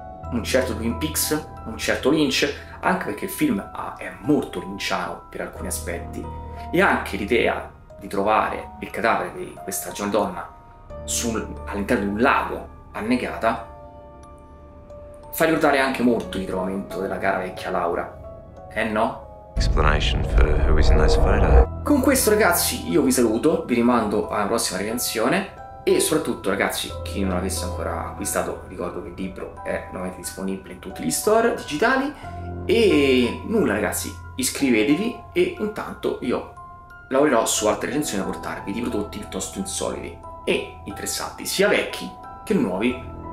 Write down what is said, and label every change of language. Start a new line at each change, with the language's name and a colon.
Italian: Un certo Twin Peaks, un certo Lynch, anche perché il film è molto lynchiano per alcuni aspetti, e anche l'idea di trovare il cadavere di questa giovane donna all'interno di un lago annegata fa ritornare anche molto il ritrovamento della cara vecchia Laura. Eh no?
English: Explanation for who is in this photo.
Italian: Con questo, ragazzi, io vi saluto, vi rimando alla prossima recensione. E soprattutto, ragazzi, chi non l'avesse ancora acquistato, ricordo che il libro è nuovamente disponibile in tutti gli store digitali. E nulla, ragazzi, iscrivetevi e intanto io lavorerò su altre recensioni a portarvi di prodotti piuttosto insolidi e interessanti, sia vecchi che nuovi.